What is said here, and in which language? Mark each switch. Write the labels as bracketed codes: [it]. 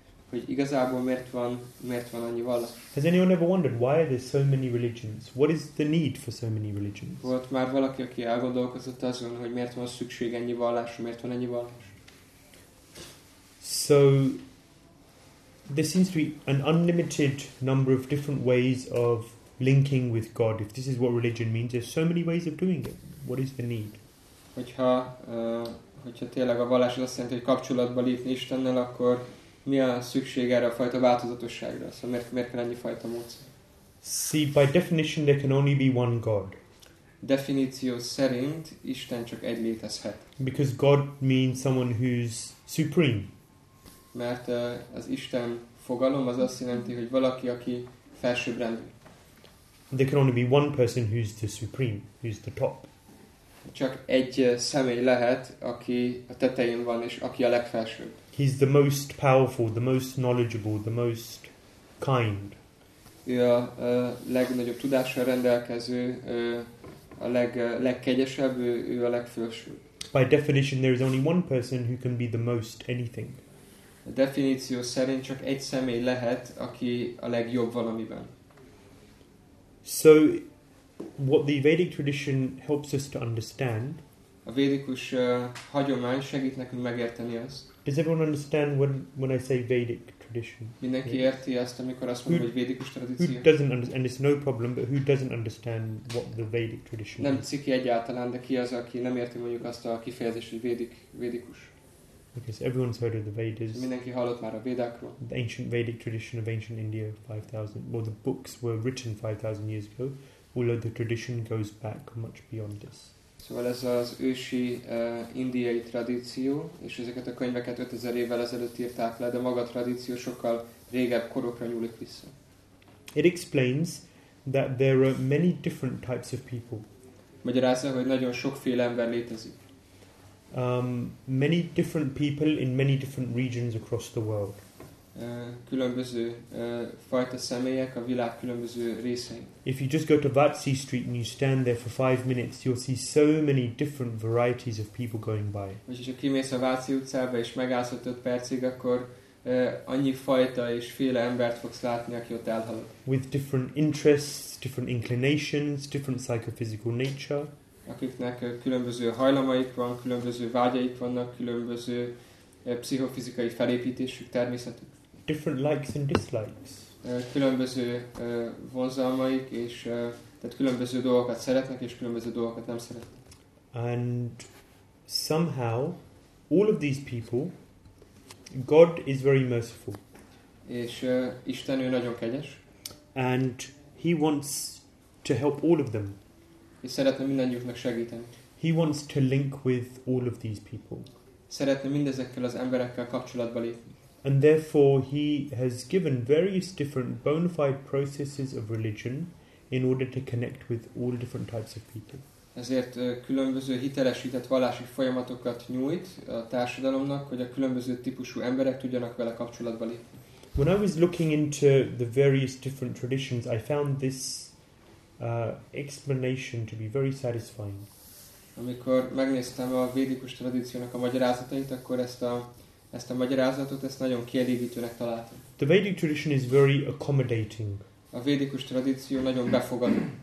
[hu] Hogy igazából miért van annyi vallás? [en] Has anyone ever wondered why are there so many religions? What is the need for so many religions? [hu] Volt már valaki, aki elgondolkozott azon, hogy miért van szükség ennyi vallásra, miért van ennyi vallás? [en] So there seems to be an unlimited number of different ways of linking with God. If this is what religion means, there's so many ways of doing it. What is the need? [hu] Hogyha tényleg a vallás azt jelenti, hogy kapcsolatba lépni Istennel, akkor mi a szükség erre a fajta változatosságra? Szóval miért kell ennyi fajta módszer? [en] See, by definition, there can only be one God. [hu] Definíció szerint Isten csak egy létezhet. [en] Because God means someone who's supreme. [hu] Mert az Isten fogalom az azt jelenti, hogy valaki, aki felsőbbrendű. [en] There can only be one person who's the supreme, who's the top. [hu] Csak egy személy lehet, aki a tetején van, és aki a legfelsőbb. [en] He's the most powerful, the most knowledgeable, the most kind. [hu] Ő a legnagyobb tudással rendelkező, a legkegyesebb, ő a legfelsőbb. [en] By definition, there is only one person who can be the most anything. [hu] A definíció szerint csak egy személy lehet, aki a legjobb valamiben. [en] So, what the Vedic tradition helps us to understand. [hu] A védikus hagyomány segít nekünk megérteni azt. [en] Does everyone understand when I say Vedic tradition? [hu] Mindenki érti azt, amikor azt mondom, hogy védikus tradíció. [en] Who doesn't understand? And it's no problem. But who doesn't understand what the Vedic tradition? [hu] Nem ciki egyáltalán, de ki az, aki nem érti mondjuk azt a kifejezést, hogy védikus. [en] Because everyone's heard of the Vedas. [hu] Mindenki hallott már a Védákról. [en] The ancient Vedic tradition of ancient India, 5,000. Well, the books were written 5,000 years ago. Although the tradition goes back much beyond this. [hu] Szóval ez az ősi indiai tradíció, és ezeket a könyveket 5000 évvel ezelőtt írták le, de maga a tradíció sokkal régebb korokra nyúlik vissza. [en] It explains that there are many different types of people. [hu] Magyarázza, hogy nagyon sokféle ember létezik. [en] Many different people in many different regions across the world. [hu] különböző fajta személyek a világ különböző részein. [en] If you just go to Vatsi Street and you stand there for 5 minutes, you'll see so many different varieties of people going by. [hu] Vagyis ha kimész a Vatsi utcába és megállsz 5 percig, akkor annyi fajta és féle embert fogsz látni, aki ott elhalad. [en] With different interests, different inclinations, different psychophysical nature. [hu] Akiknek különböző hajlamaik van, különböző vágyaik vannak, különböző pszichofizikai felépítésük, természetük. [en] Different likes and dislikes. [hu] Különböző vonzalmaik és tehát különböző dolgokat szeretnek és különböző dolgokat nem szeretnek. [en] And somehow all of these people, God is very merciful. [hu] És Isten ő nagyon kegyes. [en] And he wants to help all of them. [hu] És szeretne mindannyiuknak segíteni. [en] He wants to link with all of these people. [hu] Szeretne mindezekkel az emberekkel kapcsolatba lépni. [en] And therefore he has given various different bona fide processes of religion in order to connect with all different types of people. [hu] Ezért különböző hitelesített vallási folyamatokat nyújt a társadalomnak, hogy a különböző típusú emberek tudjanak vele kapcsolatba lépni. [en] When I was looking into the various different traditions, I found this explanation to be very satisfying. [hu] Amikor megnéztem a védikus tradíciónak a magyarázatait, akkor ezt a magyarázatot ezt nagyon kielégítőnek találtam. [en] The Vedic tradition is very accommodating. [hu] A védikus tradíció nagyon befogadó.